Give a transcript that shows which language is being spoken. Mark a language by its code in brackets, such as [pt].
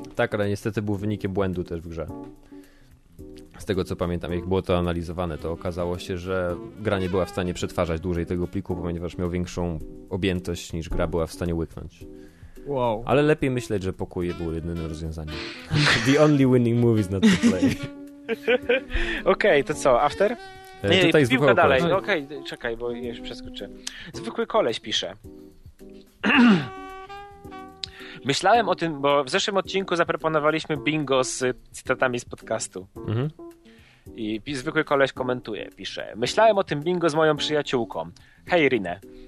[pl] Tak, ale niestety był wynikiem błędu też w grze. Z tego co pamiętam, jak było to analizowane, to okazało się, że gra nie była w stanie przetwarzać dłużej tego pliku, ponieważ miał większą objętość niż gra była w stanie łyknąć. Wow. Ale lepiej myśleć, że pokój był jedynym rozwiązaniem. [en] The only winning move is not to play. [pl] Okej, to co? After? Nie, tutaj piłka zwykły dalej. No, okej, okay, czekaj, bo już przeskoczę. Zwykły koleś pisze. Myślałem o tym, bo w zeszłym odcinku zaproponowaliśmy bingo z cytatami z podcastu. Mhm. I zwykły koleś komentuje, pisze. Myślałem o tym bingo z moją przyjaciółką. Hej, Rinę.